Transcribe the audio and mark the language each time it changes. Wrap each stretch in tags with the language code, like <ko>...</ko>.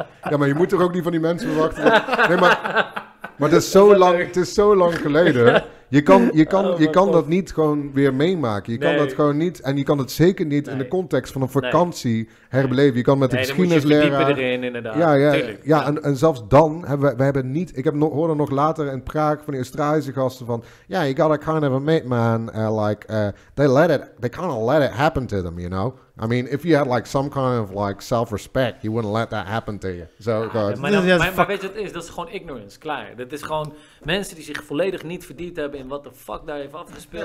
<nl>Ja, maar je moet toch ook niet van die mensen verwachten. Nee, maar het is zo lang geleden. Je kan dat niet gewoon weer meemaken. Je kan dat gewoon niet. En je kan het zeker niet in de context van een vakantie herbeleven. Je kan met de geschiedenisleraar. Dan moet je verdiepen erin, inderdaad. Ja. En zelfs dan hebben we niet. Ik hoorde nog later in Praag van die Australische gasten van.</nl> <en>Ja, yeah, you gotta kind of admit, man. They kind of let it happen to them, you know? I mean, if you had like some kind of like self-respect, you wouldn't let that happen to you.</en> <nl>Maar weet je wat het is? Dat is gewoon ignorance, klaar. Dat is gewoon mensen die zich volledig niet verdiept hebben in wat de fuck daar heeft afgespeeld.</nl>